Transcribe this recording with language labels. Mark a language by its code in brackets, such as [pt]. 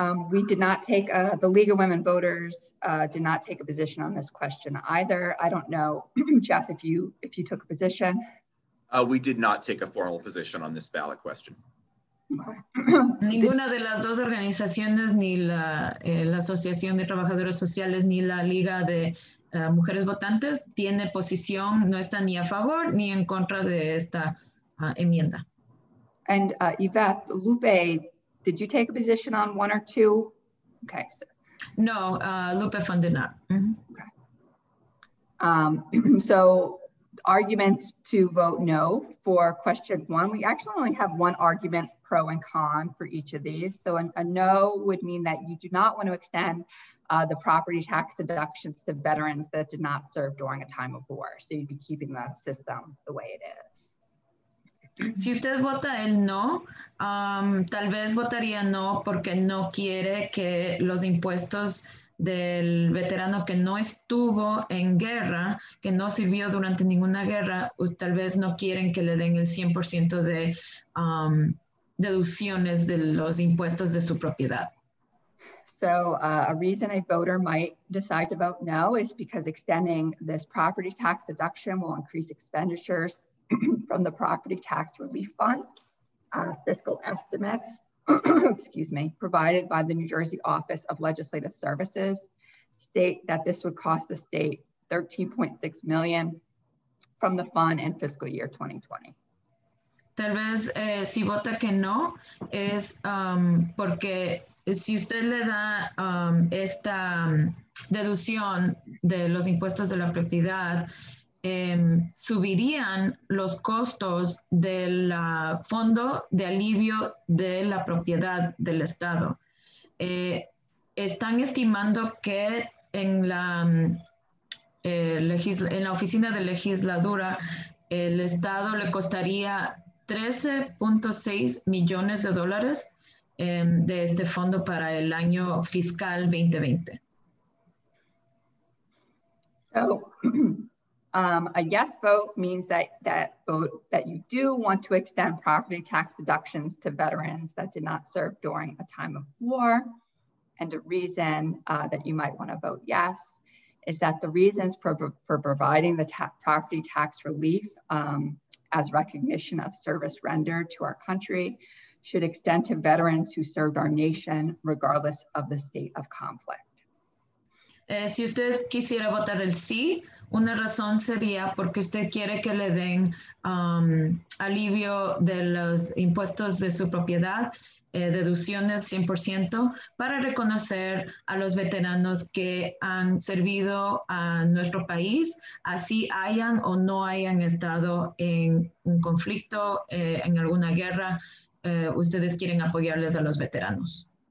[en] We did not take, the League of Women Voters did not take a position on this question either. I don't know, Jeff, if you took a position. We did not take a formal position on this ballot question. [es] Ninguna de las dos organizaciones, ni la Asociación de Trabajadores Sociales, ni la Liga de Mujeres Votantes, tiene posición, no está ni a favor ni en contra de esta enmienda. [en] And Iveth, Lupe, did you take a position on one or two? Okay. So. No, Lupe Fund did not. Mm-hmm. Okay. So arguments to vote no for question one. We actually only have one argument pro and con for each of these. So a no would mean that you do not want to extend the property tax deductions to veterans that did not serve during a time of war. So you'd be keeping the system the way it is. [es] Si usted vota el no, tal vez votaría no porque no quiere que los impuestos del veterano que no estuvo en guerra, que no sirvió durante ninguna guerra, tal vez no quieren que le den el 100% de deducciones de los impuestos de su propiedad. [en] So a reason a voter might decide to vote no is because extending this property tax deduction will increase expenditures from the Property Tax Relief Fund, fiscal estimates, excuse me, provided by the New Jersey Office of Legislative Services, state that this would cost the state $13.6 million from the fund in fiscal year 2020. [es] Tal vez si vota que no, es porque si usted le da esta deducción de los impuestos de la propiedad, subirían los costos del fondo de alivio de la propiedad del estado. Están estimando que en la en la oficina de legislatura, el estado le costaría 13.6 millones de dólares de este fondo para el año fiscal 2020. [en] So, a yes vote means that you do want to extend property tax deductions to veterans that did not serve during a time of war. And a reason that you might want to vote yes is that the reasons for providing the property tax relief as recognition of service rendered to our country should extend to veterans who served our nation regardless of the state of conflict. [es] Si usted quisiera votar el sí, una razón sería porque usted quiere que le den alivio de los impuestos de su propiedad, deducciones 100%, para reconocer a los veteranos que han servido a nuestro país, así hayan o no hayan estado en un conflicto, en alguna guerra, ustedes quieren apoyarles a los veteranos.